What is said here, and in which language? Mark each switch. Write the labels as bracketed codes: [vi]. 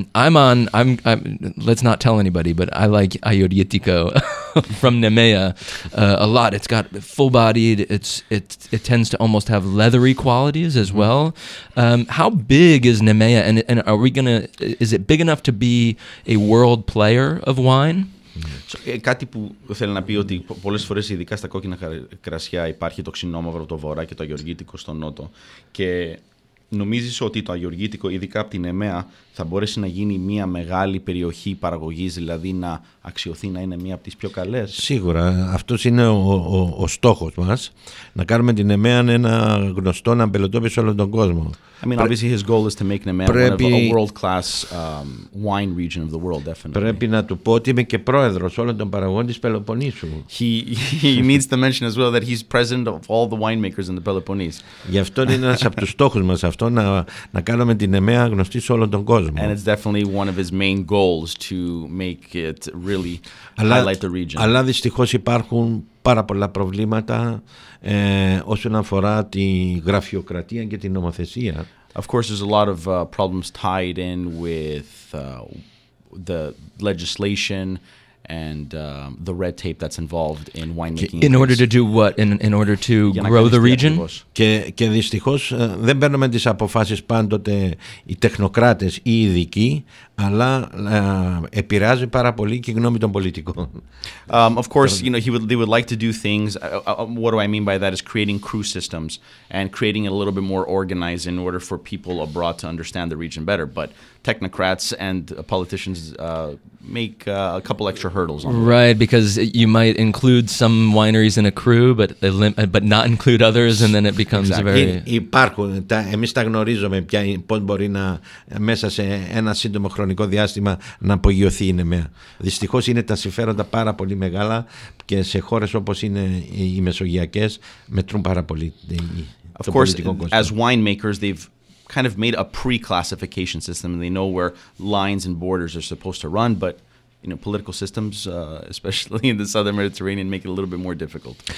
[en] Let's not tell anybody, but I like Ayori Yitiko from Nemea a lot. It's got full-bodied, it tends to almost have leathery qualities as well. How big is Nemea, and is it big enough to be a world player of wine? [el] Κάτι που θέλω να πει ότι πολλές φορές, ειδικά στα κόκκινα κρασιά, υπάρχει το ξινόμαυρο το βορρά και το αγιοργήτικο στο νότο. Και νομίζεις ότι το αγιοργήτικο, ειδικά από την Εμέα, θα μπορέσει να γίνει μια μεγάλη περιοχή παραγωγής, δηλαδή να αξιωθεί να είναι μια από τις πιο καλές. Σίγουρα. Αυτός είναι ο στόχος μας. Να κάνουμε την Εμέα ένα γνωστό να μπελοτόπι σε όλο τον κόσμο. [en] I mean, obviously his goal is to make Nemea one of a world-class wine region of the world, definitely. [el] Πρέπει να του πω ότι είμαι και πρόεδρος όλων των παραγωγών της Πελοποννήσου. [en] He needs to mention as well that he's president of all the winemakers in the Peloponnese. [el] Γι' αυτό είναι ένας από τους στόχους μας αυτό, να κάνουμε την Νεμαία γνωστή σε όλον τον κόσμο. [en] And it's definitely one of his main goals to make it really highlight the region. [el] Αλλά δυστυχώς υπάρχουν πάρα πολλά προβλήματα όσον αφορά τη γραφειοκρατία και την νομοθεσία. [en] Of course, there's a lot of problems tied in with the legislation and the red tape that's involved in winemaking. In order to do what? In order to grow the region? [el] Και δυστυχώς δεν παίρνουμε τις αποφάσεις πάντοτε οι τεχνοκράτες ή οι ειδικοί, αλλά επηρεάζει πάρα πολύ και η γνώμη των πολιτικών. [en] Of course, you know, they would like to do things. What do I mean by that is creating crew systems and creating it a little bit more organized in order for people abroad to understand the region better. But technocrats and politicians make a couple extra hurdles on that. Right, because you might include some wineries in a crew, but not include others, and then it becomes exactly. Very... [el] Υπάρχουν. Εμείς τα γνωρίζουμε πώς μπορεί να μέσα σε ένα σύντομο χρονικό διάστημα να απογειωθεί η Νεμαία. Δυστυχώς είναι τα συμφέροντα πάρα πολύ μεγάλα και σε χώρες όπως είναι οι Μεσογειακές μετρούν πάρα πολύ το πολιτικό κόστος. [en] As winemakers, they've kind of made a pre-classification system and they know where lines and borders are supposed to run, but you know, political systems, especially in the southern Mediterranean, make it a little bit more difficult.